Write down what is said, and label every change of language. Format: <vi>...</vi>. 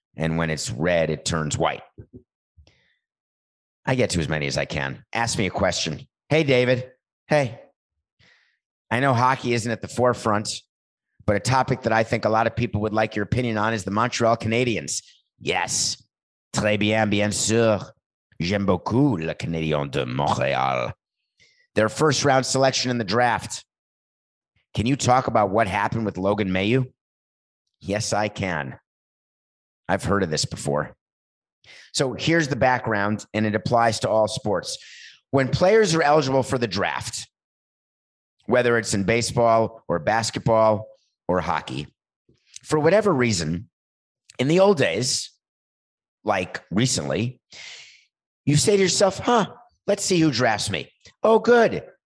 <en>And when it's red, it turns white. I get to as many as I can. Ask me a question. Hey, David. Hey. I know hockey isn't at the forefront, but a topic that I think a lot of people would like your opinion on is the Montreal Canadiens.</en> <fr>Yes. Très bien, bien sûr. J'aime beaucoup le Canadien de Montréal.</fr> <en>Their first round selection in the draft. Can you talk about what happened with Logan Mailloux? Yes, I can. I've heard of this before. So here's the background, and it applies to all sports. When players are eligible for the draft, whether it's in baseball or basketball or hockey, for whatever reason, in the old days, like recently, you say to yourself, huh, let's see who drafts me. Oh, good.</en>